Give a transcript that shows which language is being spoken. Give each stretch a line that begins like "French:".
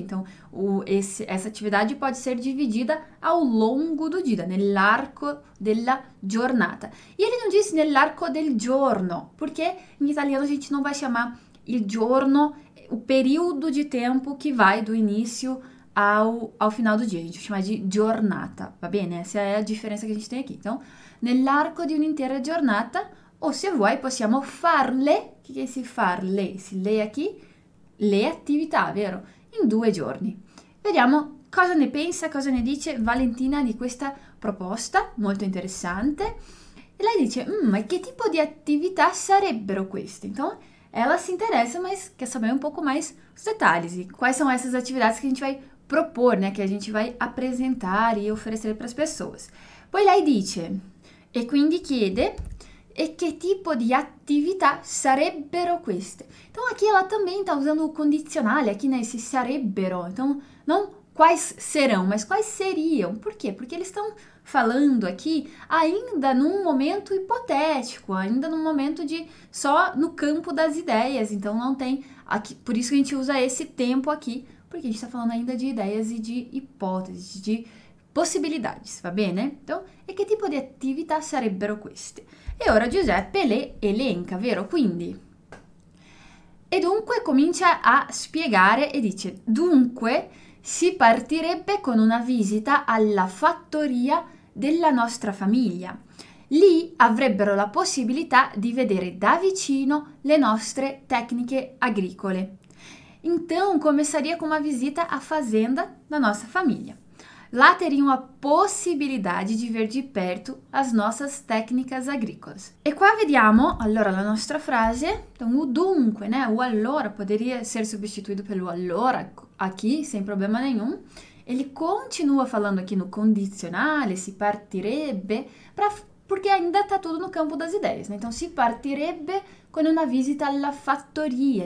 Portuguese: Então, essa atividade pode ser dividida ao longo do dia,
Italian: nell'arco della giornata.
Portuguese: E ele não disse
Italian: nell'arco del giorno,
Portuguese: porque em italiano a gente não vai chamar il giorno, o período de tempo que vai do início ao final do dia. A gente chama de giornata, va bene? Essa é a diferença que a gente tem aqui. Então,
Italian: nell'arco di un'intera giornata,
Portuguese: ou
Italian: se vuoi, possiamo farle,
Portuguese: o que é esse farle? Esse le aqui,
Italian: le attività, vero? In due giorni. Vediamo cosa ne pensa, cosa ne dice Valentina di questa proposta, molto interessante. E lei dice, ma che tipo di attività sarebbero queste?
Portuguese: Então, ela se interessa, mas quer saber um pouco mais os detalhes. E quais são essas atividades que a gente vai propor, né? Que a gente vai apresentar e oferecer para as pessoas.
Italian: Poi lei dice, e quindi chiede, e che tipo di attività sarebbero queste?
Portuguese: Então aqui ela também está usando o condicionale, aqui nesse sarebbero. Então, não quais serão, mas quais seriam. Por quê? Porque eles estão falando aqui ainda num momento hipotético, ainda num momento de só no campo das ideias, então não tem aqui, por isso que a gente usa esse tempo aqui, porque a gente está falando ainda de ideias e de hipóteses, de possibilidades,
Italian: va bene?
Portuguese: Então,
Italian: e che tipo di attività sarebbero queste? E ora Giuseppe le elenca, vero? Quindi, e dunque comincia a spiegare e dice, dunque si partirebbe con una visita alla fattoria della nostra famiglia. Lì avrebbero la possibilità di vedere da vicino le nostre tecniche agricole.
Portuguese: Então, começaria com uma visita à fazenda da nossa família. Lá teriam a possibilidade de ver de perto as nossas técnicas agrícolas.
Italian: E qua vediamo, allora, la nostra frase.
Portuguese: Então, o dunque, né? O allora poderia ser substituído pelo allora aqui, sem problema nenhum. Ele continua falando aqui no condizionale,
Italian: si partirebbe, porque ainda está tudo no campo das ideias, né? Então, si partirebbe con una visita alla fattoria.